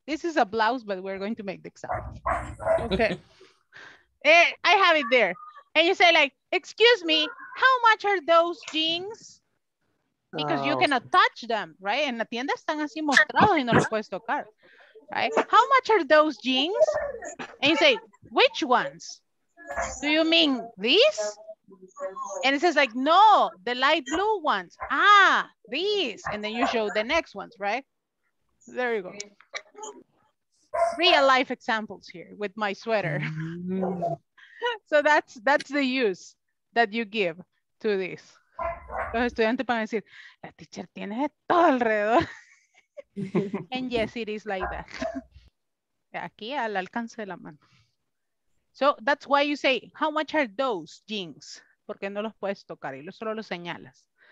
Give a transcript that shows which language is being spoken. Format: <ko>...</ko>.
<en>This is a blouse, but we're going to make the example. Okay. I have it there. And you say like, excuse me, how much are those jeans? Because you cannot touch them, right?</en> <es>En la tienda están así mostrados y no los puedes tocar, right?</es> <en>How much are those jeans? And you say, which ones? Do you mean these? And it says like, no, the light blue ones. Ah, these. And then you show the next ones, right? There you go. Real life examples here with my sweater. So that's the use that you give to this.</en> <es>Los estudiantes van a decir, la teacher tiene todo alrededor.</es> <en>And yes, it is like that.</en> <es>Aquí al alcance de la mano.</es> <en>So that's why you say, how much are those jeans?</en> <es>Porque no los puedes tocar y solo los señalas.</es>